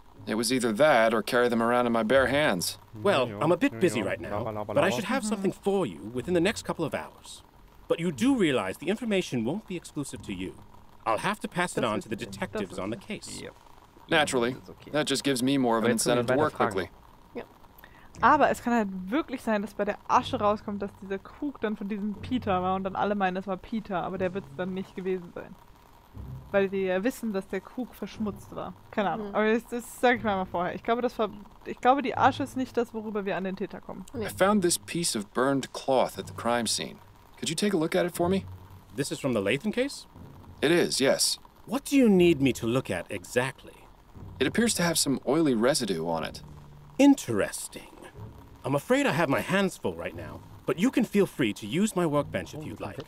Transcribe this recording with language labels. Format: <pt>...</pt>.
<en>It was either that or carry them around in my bare hands. Well, I'm a bit busy right now, but I should have something for you within the next couple of hours. But you do realize the information won't be exclusive to you. I'll have to pass it on to the detectives on the case. Naturally. That just gives me more of an incentive to work quickly.</en> <de>Aber es kann halt wirklich sein, dass bei der Asche rauskommt, dass dieser Krug dann von diesem Peter war und dann alle meinen, es war Peter, aber der wird es dann nicht gewesen sein. Weil die ja wissen, dass der Krug verschmutzt war. Keine Ahnung. Aber das sag ich mir mal vorher. Ich glaube, die Asche ist nicht das, worüber wir an den Täter kommen. Nee.</de> <en>I found this piece of burned cloth at the crime scene. Could you take a look at it for me? This is from the Lathan case? It is, yes. What do you need me to look at exactly? It appears to have some oily residue on it. Interesting. I'm afraid I have my hands full right now, but you can feel free to use my workbench if you'd like.</en>